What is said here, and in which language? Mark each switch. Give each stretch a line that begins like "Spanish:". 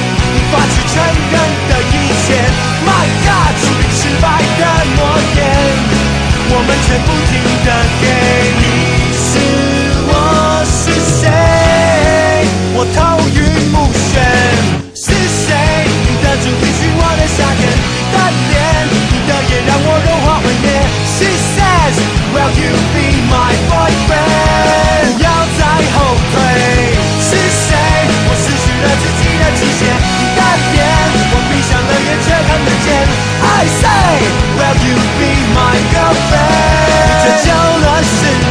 Chinese: 无法去承认的一切 ，
English: My God，
Chinese: 注定失败的诺言，我们却不停的给。你是我是谁？我头晕目眩。是谁？你的主题曲，我的夏天，你的脸，你的眼让我融化毁灭。
English: She says， Will you be my boyfriend？
Chinese: 不要再后退。是谁？我失去了自己的极限。闭上了眼却看得见。
English: I say， Will you be my girlfriend？